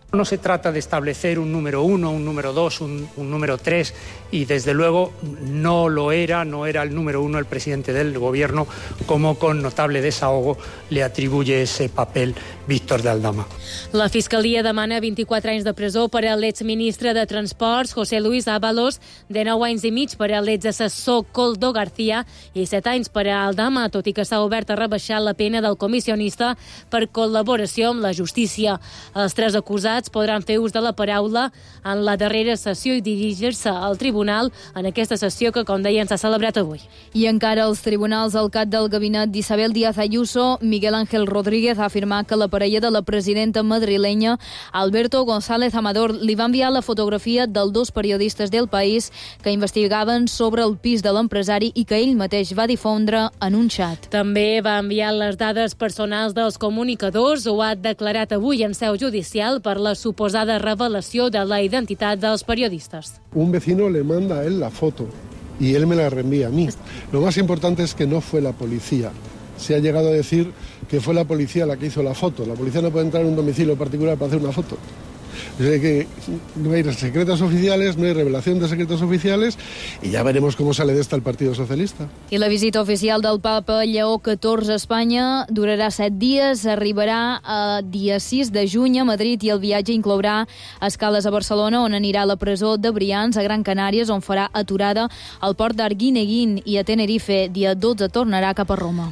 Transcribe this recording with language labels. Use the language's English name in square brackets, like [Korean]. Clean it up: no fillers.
[Spanish] No se trata de establecer un número uno, un número dos, un número tres, y desde luego no lo era, no era el número uno el presidente del gobierno, como con notable desahogo le atribuye ese papel Víctor de Aldama. [Catalan] La Fiscalia demana 24 anys de presó per a l'exministre de Transports, José Luis Ábalos, de 9 anys i mig per a l'exassessor Coldo García i 7 anys per a Aldama, tot i que s'ha obert a rebaixar la pena del comissionista per col·laboració amb la justícia. Els tres acusats podran fer ús de la paraula en la darrera sessió i dirigir-se al tribunal en aquesta sessió que, com deien, s'ha celebrat avui. I encara els tribunals, el cap del gabinet d'Isabel Díaz Ayuso, Miguel Ángel Rodríguez, ha afirmat que la parella de la presidenta madrilenya, Alberto González Amador, li va enviar la fotografia dels dos periodistes del País que investigaven sobre el pis de l'empresari i que ell mateix va difondre en un xat. També va enviar les dades personals dels comunicadors, ho ha declarat avui en seu judicial, per la suposada revelació de la identitat dels periodistes. [Spanish] Un vecino le manda a él la foto y él me la reenvía a mí. Lo más importante es que no fue la policía. Se ha llegado a decir que fue la policía la que hizo la foto. La policía no puede entrar en un domicilio particular para hacer una foto. que no hay secretos oficiales, no hay revelación de secretos oficiales, y ya veremos cómo sale de esta el Partido Socialista. [Catalan] I la visita oficial del Papa Lleó XIV a Espanya durarà 7 dies, arribarà a dia 6 de juny a Madrid, i el viatge inclourà escales a Barcelona, on anirà a la presó de Brians, a Gran Canàries, on farà aturada al port d'Arguineguín, i a Tenerife dia 12 tornarà cap a Roma.